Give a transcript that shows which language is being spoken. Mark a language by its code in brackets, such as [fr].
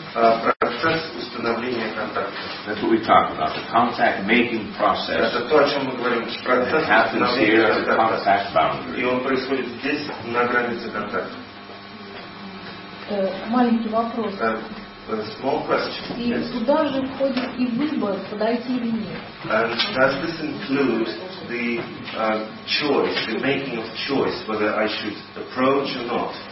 [en] That's what we talk about, the contact making process. [ru] Это то, о чем мы говорим. [en] It happens here at the contact boundary. [ru] И он происходит здесь, на границе контакта. Маленький вопрос. [en] Small question. [ru] И туда же входит и выбор, подойти или нет. [en] And does this include the choice, the making of choice, whether I should approach or not?